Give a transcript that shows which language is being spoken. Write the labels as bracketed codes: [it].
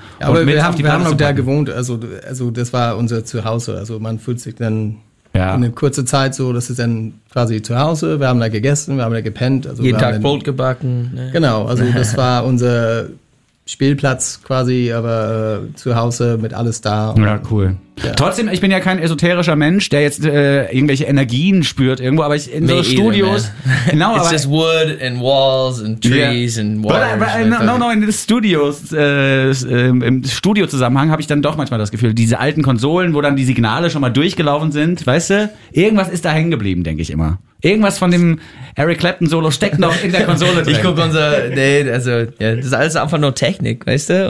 [de] Ja, aber wir haben auch da gewohnt, also das war unser Zuhause, also man fühlt sich dann eine kurze Zeit so, das ist dann quasi zu Hause, wir haben da gegessen, wir haben da gepennt. Also jeden wir Tag Brot gebacken. Genau, also das war unser Spielplatz quasi, aber zu Hause mit alles da. Ja, cool. Trotzdem, ich bin ja kein esoterischer Mensch, der jetzt irgendwelche Energien spürt irgendwo, aber ich [en] in me so either, [de] Studios. Genau, [en] it's just wood and walls and trees and water. [de] No, in Studios, im Studio-Zusammenhang habe ich dann doch manchmal das Gefühl, diese alten Konsolen, wo dann die Signale schon mal durchgelaufen sind, weißt du, irgendwas ist da hängen geblieben, denke ich immer. Irgendwas von dem Eric Clapton-Solo steckt noch in der Konsole drin. Ich gucke das ist alles einfach nur Technik, weißt du?